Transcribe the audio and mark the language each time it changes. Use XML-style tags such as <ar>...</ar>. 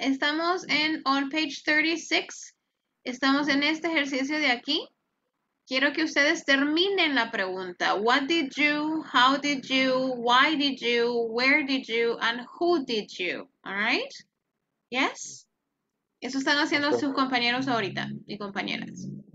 <es>Estamos en,</es> <en>on page 36,</en> <es>estamos en este ejercicio de aquí. Quiero que ustedes terminen la pregunta.</es> <en>What did you, how did you, why did you, where did you, and who did you? All right? Yes?</en> <es>Eso están haciendo okay. Sus compañeros ahorita, y compañeras.</es>